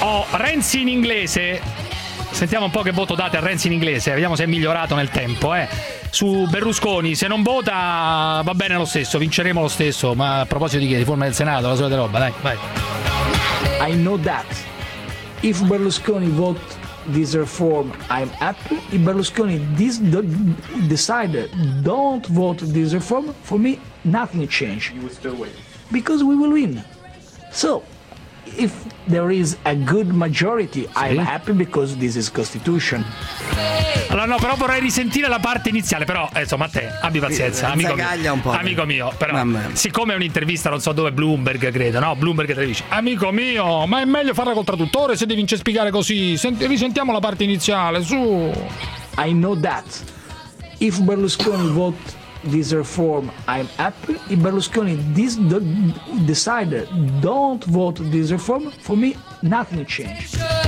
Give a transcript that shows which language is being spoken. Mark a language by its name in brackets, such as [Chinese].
[Italian] Renzi in inglese, sentiamo un po' che voto date a Renzi in inglese, vediamo se è migliorato nel tempo, su Berlusconi. Se non vota va bene lo stesso, vinceremo lo stesso, ma a proposito di che? Riforma del Senato, la solita roba, dai, vai. [English] I know that if Berlusconi vote this reform I'm happy, if Berlusconi decide don't vote this reform, for me nothing change. You will still win. Because we will win. So if there is a good majority, sì, I'm happy because this is constitution. [Italian] Allora no, però vorrei risentire la parte iniziale, però insomma te abbi pazienza, amico mio, un po', amico mio, però siccome è un'intervista, non so dove, Bloomberg credo, no, Bloomberg Televisi, amico mio, ma è meglio farla col traduttore se devi spiegare così. Risentiamo la parte iniziale, su. [English] I know that if Berlusconi vote this reform I'm happy, if Berlusconi decide don't vote this reform, for me nothing changed.